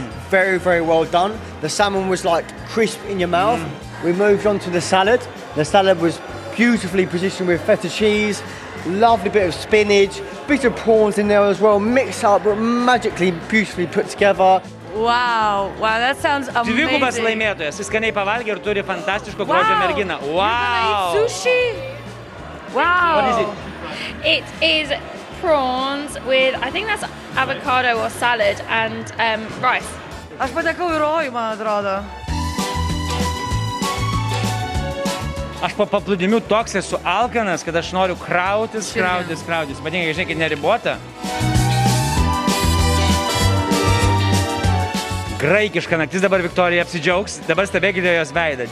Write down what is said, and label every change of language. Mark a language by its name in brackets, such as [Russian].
[English] Very, very well done. The salmon was like crisp in your mouth. Mm. We moved on to the salad. The salad was beautifully positioned with feta cheese, lovely bit of spinach, bit of prawns in there as well, mixed up, but magically, beautifully put together. Wow, that sounds amazing. [Lithuanian] Dvigubas laimėtojas, jis skaniai pavalgė ir turi fantastiško grožio merginą. Wow! [English] You're gonna eat sushi? Wow! What is it? It is prawns with, I think that's avocado or salad, and rice. [Lithuanian] Aš patekau į rojų, man atrodo. Aš po paplūdimių toks esu alkanas, kad aš noriu krautis. Patinkai, žinai, kad neribuota. Graikiška naktis dabar Viktorija apsidžiaugs. Dabar stebėkite jos veidą.